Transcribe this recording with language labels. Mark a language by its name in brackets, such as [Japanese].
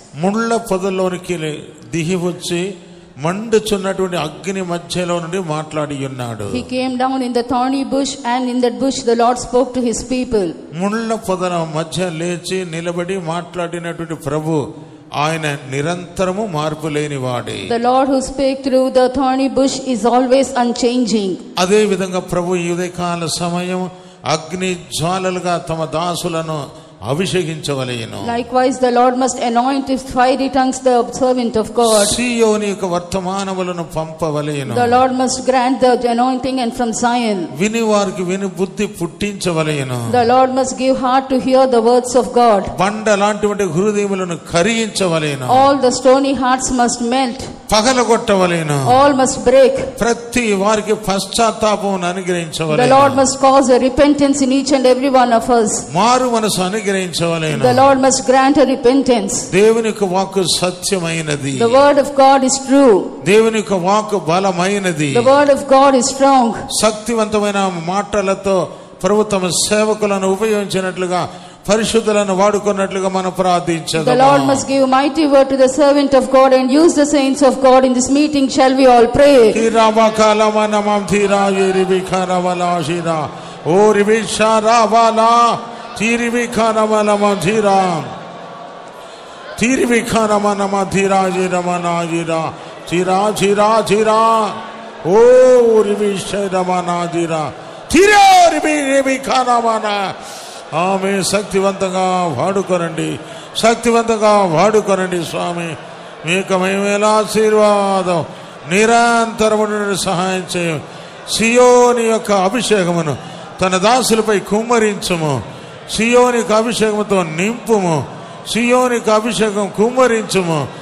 [Telugu] ముళ్ళ పొదల్లోనికి దిగి వచ్చి మండుచున్నటువంటి అగ్ని మధ్యలో నుండి మాట్లాడి ఉన్నాడు. [English] He came down in the thorny bush and in that bush the lord spoke to his people. [Telugu] ముళ్ళ పొదల మధ్య లేచి నిలబడి మాట్లాడినటువంటి ప్రభు ఆయన నిరంతరము మార్పు లేని వాడే. [English] The Lord who speak through the thorny bush is always unchanging. [Telugu] అదే విధంగా ప్రభు యుదయకాల సమయం అగ్ని జ్వాలలుగా తమ దాసులను అభిషేకించవలయను. [English] Likewise the Lord must anoint with fiery tongues the servant of God. [Telugu] సియోను యొక్క వర్తమానములను పంపవలయను. [English] The Lord must grant the anointing and from Zion. [Telugu] వినివారికి విని బుద్ధి పుట్టించవలయను. [English] The Lord must give heart to hear the words of God. [Telugu] బండలాంటి హృదయములను కరిగించవలయను. [English] All the stony hearts must melt. [Telugu] పగలగొట్టవలేను. [English] All must break. [Telugu] ప్రతి వారికి పశ్చాత్తాపమును అనుగ్రహించవలేను. [English] The lord must cause a repentance in each and every one of us. [Telugu] మారు మనసు అనుగ్రహించవలేను. [English] The lord must grant a repentance. [Telugu] దేవునికి వాక్కు సత్యమైనది. [English] The word of God is true. [Telugu] దేవునికి వాక్కు బలమైనది. [English] The word of God is strong. [Telugu] శక్తివంతమైన మాటలతో ప్రభు తమ సేవకులను ఉపయోగించినట్లుగా పరిశుద్ధులను వాడుకున్నట్లుగా మనం ప్రార్థించదాము. [English] The Lord must give mighty word to the servant of God and use the saints of God in this meeting, shall we all pray. Kirava kala manamam thira yirivikara vala shira o rivishara vala tirivikara vala mathira tirivikara manamathira yiramana yira thira thira thira o rivishara vana thira thira rivikara vana [Telugu] ఆమె శక్తివంతంగా వాడుకోనండి, శక్తివంతంగా వాడుకోనండి స్వామి. మీకు మేమేలా ఆశీర్వాదం నిరంతరముడు సహాయం చేయ సియోని యొక్క అభిషేకమును తన దాసులపై కుమ్మరించము. సియోనికి అభిషేకంతో నింపుము. సియోనికి అభిషేకం కుమ్మరించము.